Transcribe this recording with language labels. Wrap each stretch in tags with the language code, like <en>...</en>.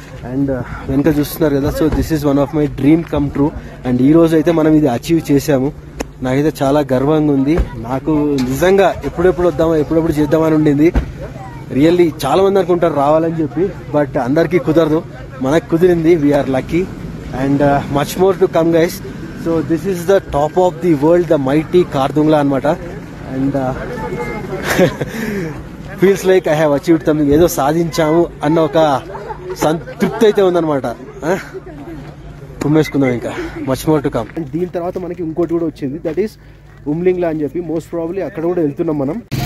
<en>and</en> <te>వెనక చూస్తున్నారు కదా,</te> <en>So this is one of my dream come true.</en> <te>And ఈ రోజు అయితే మనం ఇది అచీవ్ చేసాము, నాకైతే చాలా గర్వంగా ఉంది. నాకు నిజంగా ఎప్పుడెప్పుడు వద్దామా, ఎప్పుడెప్పుడు చేద్దామని ఉండింది. రియల్లీ చాలా మంది అనుకుంటారు రావాలని చెప్పి, బట్ అందరికీ కుదరదు, మనకు కుదిరింది,</te> <en>We are lucky. And much more to come guys. So this is the top of the world, the mighty Khardungla అన్నమాట. And feels like I have achieved something,</en> <te>ఏదో సాధించాము అన్న ఒక సంతృప్తి అయితే ఉందన్నమాట. తుమ్మేసుకుందాం ఇంకా,</te> <en>Much more to come.</en> <te>దీని తర్వాత మనకి ఇంకోటి కూడా వచ్చింది, దట్ ఈస్ ఉమ్లింగ్లా అని చెప్పి, మోస్ట్ ప్రాబ్లీ అక్కడ కూడా వెళ్తున్నాం మనం.</te>